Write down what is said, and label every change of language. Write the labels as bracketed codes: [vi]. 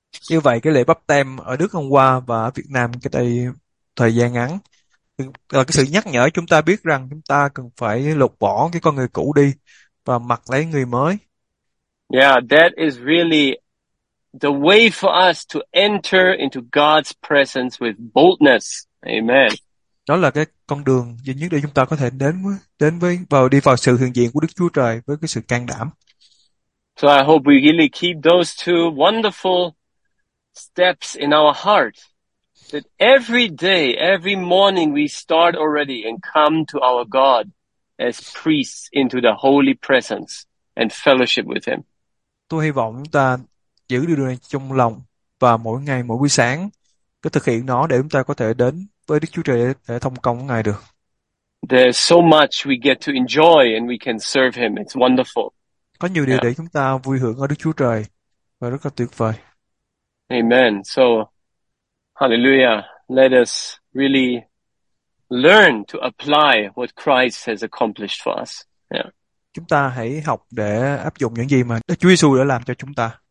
[vi] Như vậy cái lễ báp têm ở Đức hôm qua và ở Việt Nam cái đây thời gian ngắn là cái sự nhắc nhở chúng ta biết rằng chúng ta cần phải lột bỏ cái con người cũ đi và mặc lấy người mới. [en] Yeah, that is really the way for us to enter into God's presence with boldness. Amen. [vi] Đó là cái con đường duy nhất để chúng ta có thể đi vào sự hiện diện của Đức Chúa Trời với cái sự can đảm. [en] So I hope we really keep those two wonderful steps in our heart. That every day, every morning, we start already and come to our God as priests into the holy presence and fellowship with Him. [vi] Tôi hy vọng chúng ta giữ điều này trong lòng và mỗi ngày, mỗi buổi sáng cứ thực hiện nó để chúng ta có thể đến với Đức Chúa Trời để thông công Ngài được. [en] There's so much we get to enjoy and we can serve Him. It's wonderful. [vi] Có nhiều điều để chúng ta vui hưởng ở Đức Chúa Trời và rất là tuyệt vời. [en] Amen. So, hallelujah. Let us really learn to apply what Christ has accomplished for us. [vi] Chúng ta hãy học để áp dụng những gì mà Đức Chúa Giêsu đã làm cho chúng ta.